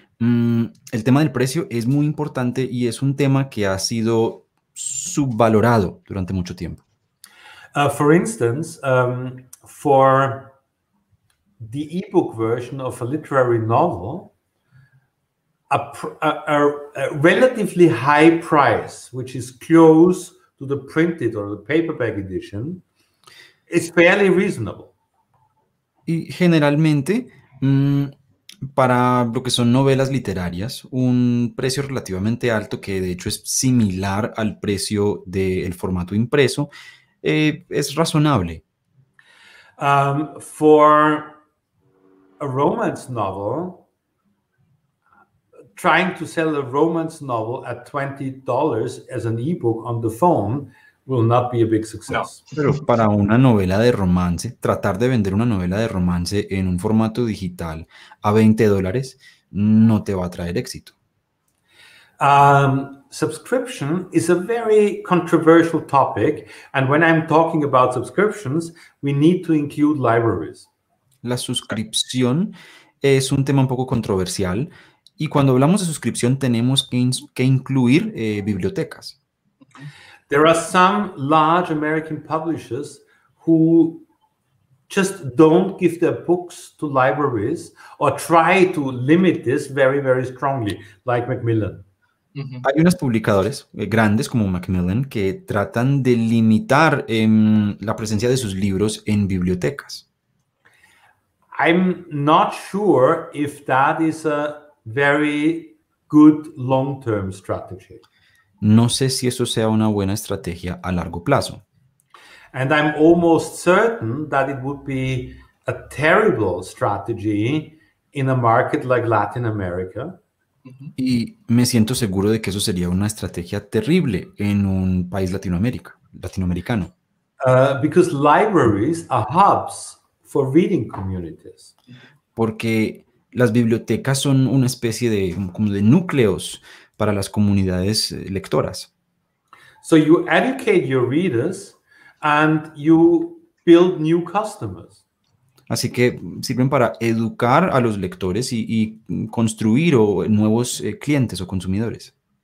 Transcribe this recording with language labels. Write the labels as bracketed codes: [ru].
[es] El tema del precio es muy importante y es un tema que ha sido subvalorado durante mucho tiempo. [en] For instance, for the ebook version of a literary novel, a relatively high price, which is close to the printed or the paperback edition, is fairly reasonable. [es] Y generalmente, para lo que son novelas literarias, un precio relativamente alto, que de hecho es similar al precio del formato impreso, es razonable. [en] For a romance novel, trying to sell a romance novel at $20 as an ebook on the phone will not be a big success. No. [es] Pero para una novela de romance, tratar de vender una novela de romance en un formato digital a $20 no te va a traer éxito. [en] Subscription is a very controversial topic, and when I'm talking about subscriptions, we need to include libraries. [es] La suscripción es un tema un poco controversial, y cuando hablamos de suscripción tenemos que incluir bibliotecas. [en] There are some large American publishers who just don't give their books to libraries or try to limit this very, very strongly, like Macmillan. Mm-hmm. [es] Hay unos publicadores grandes como Macmillan que tratan de limitar la presencia de sus libros en bibliotecas. [en] I'm not sure if that is a very good long-term strategy. [es] No sé si eso sea una buena estrategia a largo plazo. [en] And I'm almost certain that it would be a terrible strategy in a market like Latin America. [es] Y me siento seguro de que eso sería una estrategia terrible en un país latinoamericano. [en] Because libraries are hubs for reading communities. [es] Porque las bibliotecas son una especie de, como de núcleos para las comunidades lectoras. [en] So you educate your readers and you build new customers. [es] Así que sirven para educar a los lectores y construir nuevos clientes o consumidores.